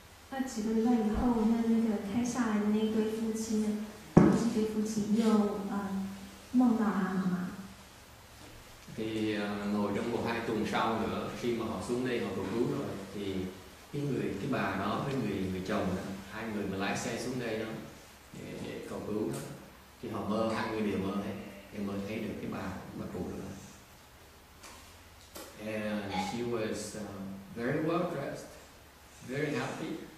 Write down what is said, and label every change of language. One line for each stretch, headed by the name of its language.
Chinese: 那几个礼拜以后，那个开下来的那对夫妻，不是对夫妻，又梦到他妈妈。
Vietnamese: Thì ngồi trong một hai tuần sau nữa, khi mà họ xuống đây họ cầu cứu rồi, thì cái bà đó với người chồng đó, hai người mà lái xe xuống đây đó để cầu cứu đó, thì họ mơ, hai người đều mơ thấy, đều mơ thấy được cái bà cụ đó.
English: And she was very well dressed, very happy.